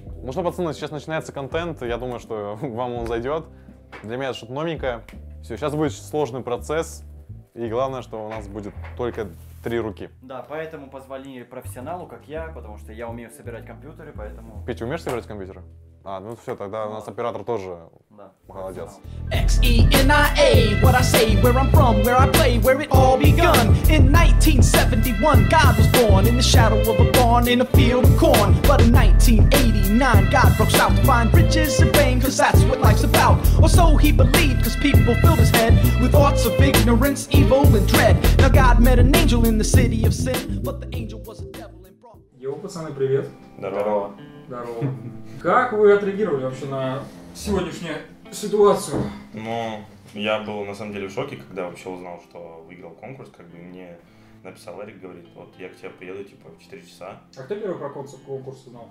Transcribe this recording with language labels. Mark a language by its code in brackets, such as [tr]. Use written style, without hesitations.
[ru] Ну что, пацаны, сейчас начинается контент, я думаю, что вам он зайдет. Для меня это что-то новенькое. Все, сейчас будет сложный процесс, и главное, что у нас будет только три руки. Да, поэтому позвали профессионалу, как я, потому что я умею собирать компьютеры, поэтому... Петя, умеешь собирать компьютеры? А, ну все, тогда у нас оператор тоже молодец. [en] X-E-N-I-A, what I say, where I'm from, where I play, where it all begun. In 1971, God was born in the shadow of a barn in a field of corn. But in 1989, God broke out to find riches and fame, cause that's what life's about. Or so he believed, cause people filled his head with thoughts of ignorance, evil and dread. Now God met an angel in the city of sin, but the angel was a devil and brought... [ru] Йо, пацаны, привет. Здорово. Здорово. Как вы отреагировали вообще на сегодняшнюю ситуацию? Ну, я был на самом деле в шоке, когда вообще узнал, что выиграл конкурс. Как бы мне написал Эрик, говорит, вот я к тебе приеду, типа, в 4 часа. А кто первый про конкурс узнал?